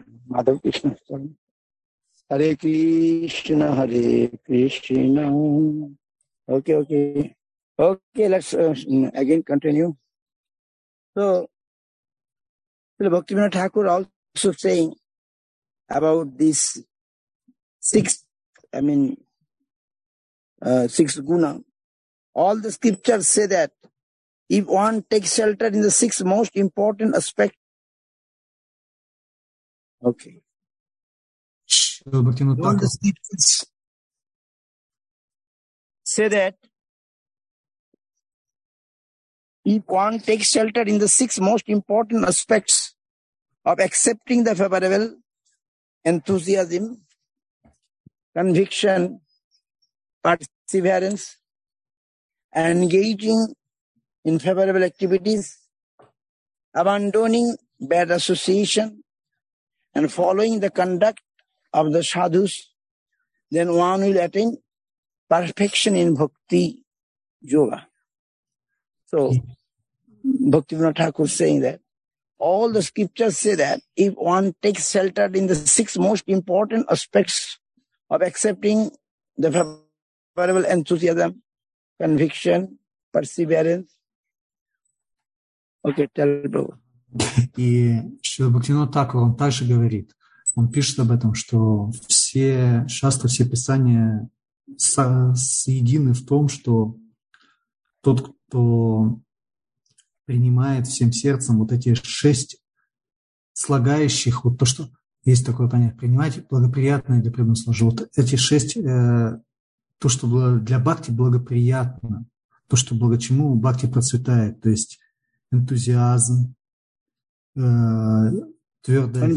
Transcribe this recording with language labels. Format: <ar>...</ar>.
<en>Madhav Krishna Hare Krishna Hare Krishna okay okay okay let's again continue so Bhaktivinoda Thakur also saying about this six I mean six guna all the scripture say that if one takes shelter in the six most important aspect Okay. All the scriptures say that if one takes shelter in the six most important aspects of accepting the favorable enthusiasm, conviction, perseverance, and engaging in favorable activities, abandoning bad association, and following the conduct of the sadhus, then one will attain perfection in bhakti yoga. So, Bhaktivinoda Thakur is saying that all the scriptures say that if one takes shelter in the six most important aspects of accepting the favorable enthusiasm, conviction, perseverance. Okay, tell Prabhu.</en> <ru>И Шрила Бхактивинода Тхакур, он также говорит, он пишет об этом, что все шастры, все писания соедины в том, что тот, кто принимает всем сердцем вот эти шесть слагающих, вот то, что есть такое понятие, принимать благоприятное для преданного, вот эти шесть, то, что для бхакти благоприятно, то, что благодаря чему бхакти процветает, то есть энтузиазм, твердая</ru>